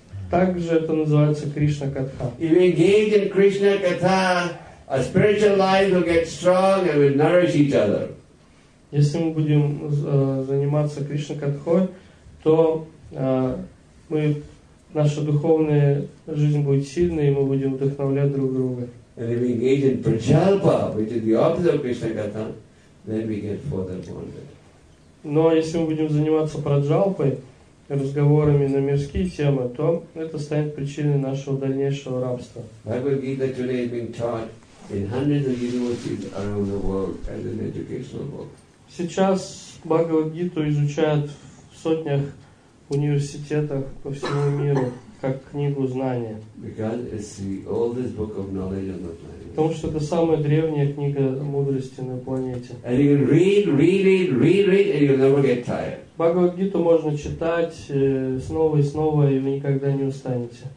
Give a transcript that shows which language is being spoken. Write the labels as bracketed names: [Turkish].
[Russian] Также это называется Кришна Катха. [English] If we engage in Krishna Katha, our spiritual life will get strong and will nourish each other. [Russian] Если мы будем заниматься Кришна Катхой, то мы, наша духовная жизнь будет сильной, и мы будем вдохновлять друг друга. [English] And if we engage in Prajalpa, which is the opposite of Krishna Katha, then we get further bonded. [Russian] Но если мы будем заниматься праджалпой, разговорами на мирские темы, то это станет причиной нашего дальнейшего рабства. [English] Bhagavad Gita today is being taught in hundreds of universities around the world as an educational book. [Russian] Сейчас Бхагавад Гиту изучают в сотнях университетов по всему миру как книгу знания. [English] Because it's the oldest book of knowledge on the planet. [Russian] Потому что это самая древняя книга мудрости на планете. [English] And you can read, and you'll never get tired. [Russian] Бхагавад-гиту можно читать снова и снова, и вы никогда не устанете.